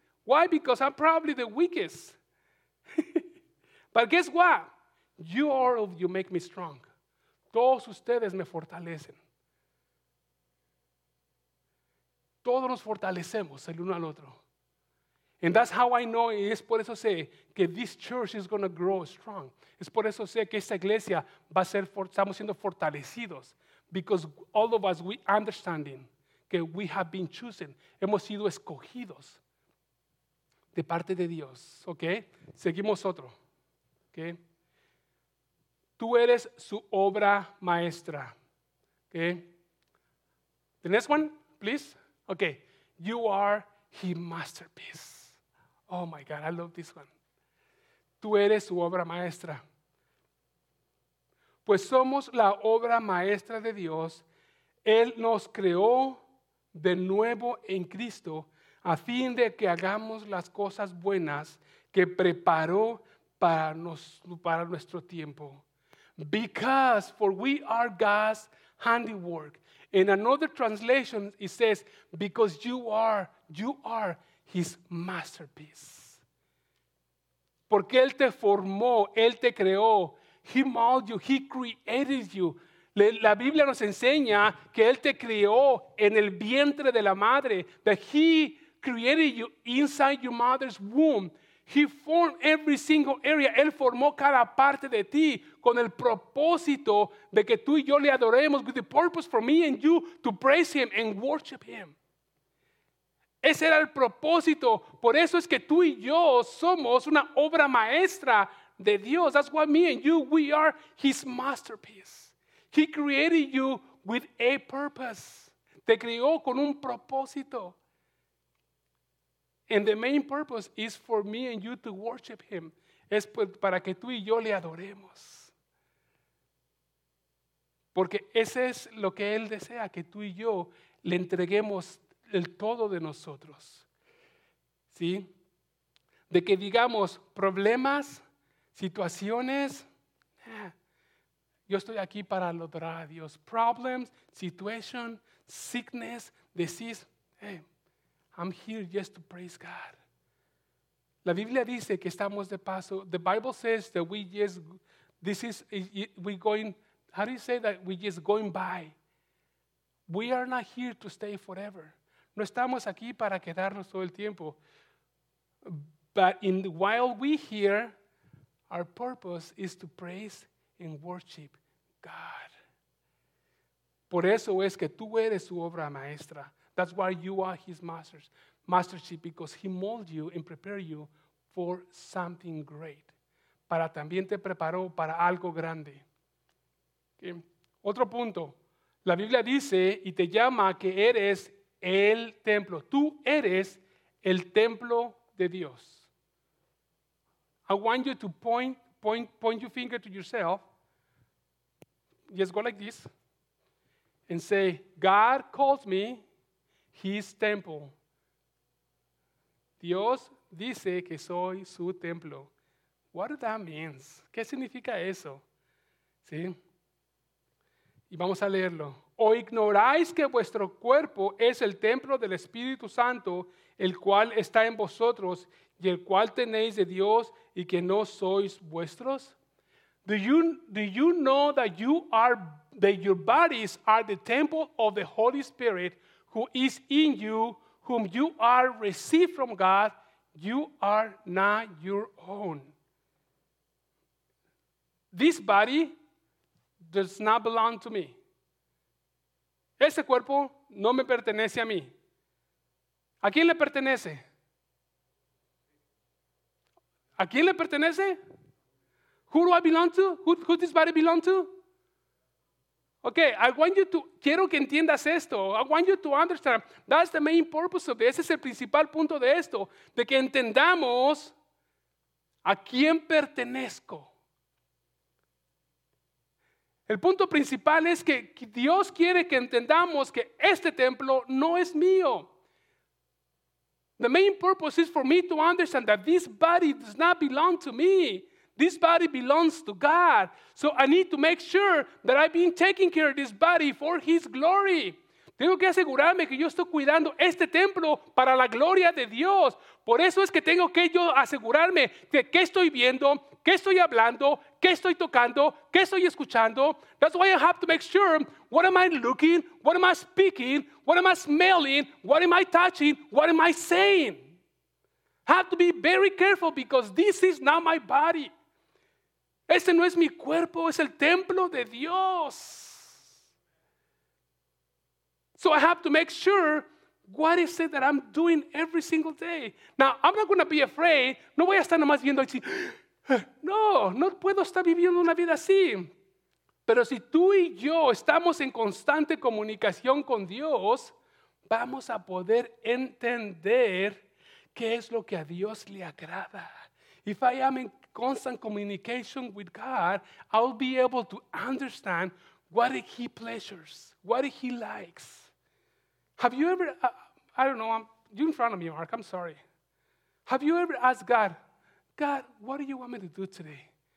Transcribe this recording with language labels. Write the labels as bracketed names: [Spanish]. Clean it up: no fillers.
[English] Why? Because I'm probably the weakest. But guess what? You all of you make me strong. [Spanish] Todos ustedes me fortalecen. Todos nos fortalecemos el uno al otro. [English] And that's how I know, [Spanish] y es por eso sé que [English] this church is going to grow strong. [Spanish] Es por eso sé que esta iglesia va a ser, estamos siendo fortalecidos. [English] Because all of us, we understanding que we have been chosen. [Spanish] Hemos sido escogidos de parte de Dios. ¿Ok? Seguimos otro. ¿Ok? Tú eres su obra maestra. ¿Ok? [English] The next one, please. ¿Ok? You are his masterpiece. Oh my God, I love this one. [Spanish] Tú eres su obra maestra. Pues somos la obra maestra de Dios. Él nos creó de nuevo en Cristo a fin de que hagamos las cosas buenas que preparó para nuestro tiempo. [English] Because, for we are God's handiwork. In another translation, it says, because you are his masterpiece. [Spanish] Porque Él te formó, Él te creó. [English] He molded you, he created you. [Spanish] La Biblia nos enseña que Él te creó en el vientre de la madre. [English] That he created you inside your mother's womb. He formed every single area. [Spanish] Él formó cada parte de ti con el propósito de que tú y yo le adoremos. [English] With the purpose for me and you to praise him and worship him. [Spanish] Ese era el propósito. Por eso es que tú y yo somos una obra maestra de Dios. [English] That's why me and you, we are his masterpiece. He created you with a purpose. [Spanish] Te creó con un propósito. [English] And the main purpose is for me and you to worship him. [Spanish] Es para que tú y yo le adoremos. Porque ese es lo que él desea, que tú y yo le entreguemos el todo de nosotros. ¿Sí? De que digamos, problemas, situaciones, yo estoy aquí para adorar a Dios. [English] Problems, situation, sickness, disease, I'm here just to praise God. [Spanish] La Biblia dice que estamos de paso. [English] The Bible says that we're just going by. We are not here to stay forever. [Spanish] No estamos aquí para quedarnos todo el tiempo. [English] But while we're here, our purpose is to praise and worship God. [Spanish] Por eso es que tú eres su obra maestra. [English] That's why you are his mastership, because he molded you and prepared you for something great. [Spanish] Para también te preparó para algo grande. Okay. Otro punto. La Biblia dice y te llama que eres el templo. Tú eres el templo de Dios. [English] I want you to point your finger to yourself. Just go like this. And say, God calls me his temple. [Spanish] Dios dice que soy su templo. [English] What does that mean? [Spanish] ¿Qué significa eso? ¿Sí? Y vamos a leerlo. ¿O ignoráis que vuestro cuerpo es el templo del Espíritu Santo, el cual está en vosotros y el cual tenéis de Dios y que no sois vuestros? [English] Do you know that your bodies are the temple of the Holy Spirit, who is in you, whom you are received from God? You are not your own. This body does not belong to me. [Spanish] Ese cuerpo no me pertenece a mí. ¿A quién le pertenece? ¿A quién le pertenece? [English] Who do I belong to? Who does this body belong to? Okay, [Spanish] quiero que entiendas esto. [English] I want you to understand. That's the main purpose of this. [Spanish] Ese es el principal punto de esto. De que entendamos a quién pertenezco. El punto principal es que Dios quiere que entendamos que este templo no es mío. [English] The main purpose is for me to understand that this body does not belong to me. This body belongs to God. So I need to make sure that I've been taking care of this body for his glory. [Spanish] Tengo que asegurarme que yo estoy cuidando este templo para la gloria de Dios. Por eso es que tengo que yo asegurarme de qué estoy viendo, qué estoy hablando, qué estoy tocando, qué estoy escuchando. [English] That's why I have to make sure, what am I looking, what am I speaking, what am I smelling, what am I touching, what am I saying? Have to be very careful because this is not my body. [Spanish] Este no es mi cuerpo, es el templo de Dios. [English] So I have to make sure what is it that I'm doing every single day. Now, I'm not going to be afraid. [Spanish] No voy a estar nomás viendo así. No puedo estar viviendo una vida así. Pero si tú y yo estamos en constante comunicación con Dios, vamos a poder entender ¿Qué es lo que a Dios le agrada? [English] If I am in constant communication with God, I'll be able to understand what he pleasures, what he likes. Have you ever, I don't know, you're in front of me, Mark, I'm sorry. Have you ever asked God, God, what do you want me to do today?